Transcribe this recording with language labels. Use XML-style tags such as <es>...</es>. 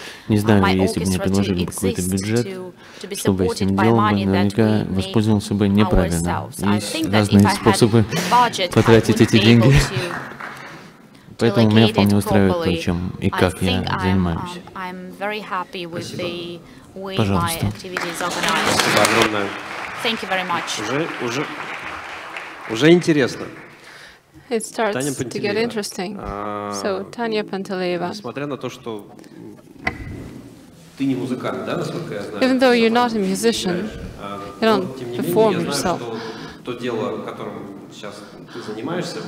<ru>Не знаю, если бы мне предложили бы какой-то бюджет, что бы я с этим делал, наверняка воспользовался бы неправильно, есть разные способы потратить эти деньги. Поэтому меня вполне устраивает то, чем и как я занимаюсь.</ru> <en>I'm very happy with</en> <ru>Спасибо.</ru> <en>The way my activities organized.</en> <ru>Спасибо огромное.</ru> <en>Thank you very much.</en> <ru>Уже интересно.</ru> <en>It starts to get interesting. So, Tanya Pantaleeva.</en> <ru>Несмотря на то, что ты не музыкант, да, насколько я знаю.</ru> <en>Even though you're not a musician, you don't perform yourself.</en> <ru>То дело, которым сейчас ты занимаешься,</ru>